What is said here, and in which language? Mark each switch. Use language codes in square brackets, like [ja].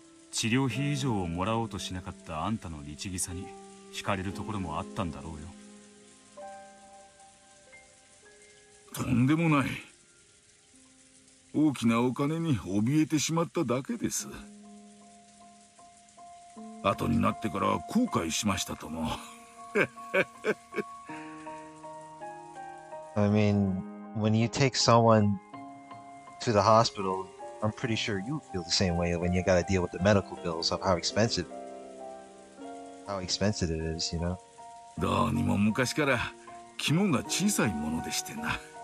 [ja] 治療費以上をもらおうとしなかったあんたの律儀さに惹かれるところもあったんだろうよ。とんでもない。大きなお金に怯えてしまっただけです。後になってから後悔しましたとも。 [en] I mean, when you take someone to the hospital, I'm pretty sure you feel the same way when you gotta deal with the medical bills of how expensive it is, you know? [ja] どうにも昔から肝が小さいものでしてな。